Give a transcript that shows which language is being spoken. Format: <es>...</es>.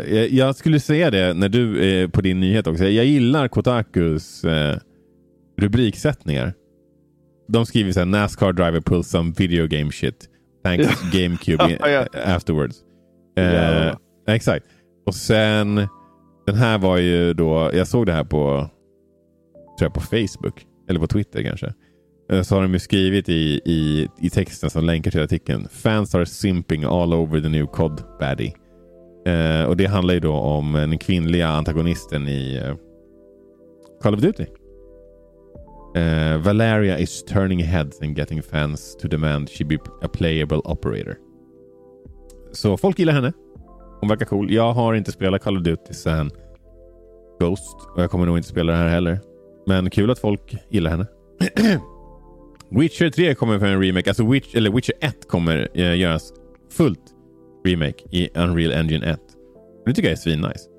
<sv>Jag skulle säga det när du är på din nyhet också. Jag gillar Kotakus rubriksättningar. De skriver så här:</sv> <en>NASCAR driver pulls some video game shit. Thanks GameCube afterwards.</en> <sv>Exakt. Och sen den här var ju då, jag såg det här på, tror jag, på Facebook eller på Twitter kanske. Så har de ju skrivit i texten som länkar till artikeln:</sv> <en>fans are simping all over the new COD baddie.</en> <sv>Och det handlar ju då om den kvinnliga antagonisten i Call of Duty.</sv> <en>Valeria is turning heads and getting fans to demand she be a playable operator.</en> <sv>Så folk gillar henne. Hon verkar cool. Jag har inte spelat Call of Duty sen Ghost. Och jag kommer nog inte spela det här heller. Men kul att folk gillar henne. Witcher 3 kommer för en remake. Alltså Witcher 1 kommer göras fullt remake i Unreal Engine 1. Det tycker jag är svinnice.</sv>